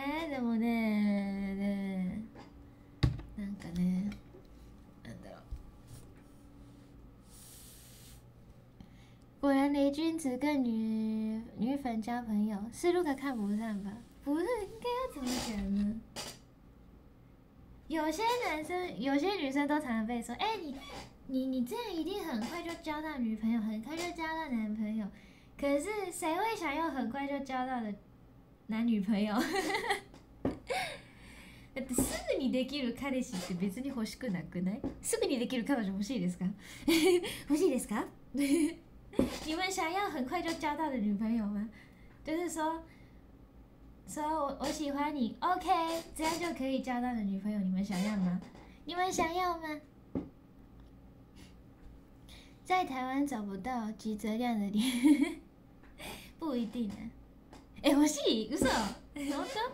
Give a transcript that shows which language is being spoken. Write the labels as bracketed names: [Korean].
[Japanese] でもね、ね、なんかね、なんだろう。 [Chinese] 果然雷君只跟女粉交朋友，是Luca看不上吧？不是，应该要怎么讲呢？有些女生都常常被说，你这样一定很快就交到女朋友，很快就交到男朋友。可是谁会想要很快就交到的男女朋友？ [Japanese] だってすぐにできる彼氏って別に欲しくなくない？すぐにできる彼女欲しいですか？欲しいですか？ [Chinese] 你们想要很快就交到的女朋友吗？就是说我喜欢你 ，OK， 这样就可以交到的女朋友，你们想要吗？你们想要吗？在台湾找不到吉泽亮的脸，不一定啊。 [Japanese] 欲しい？嘘？本当？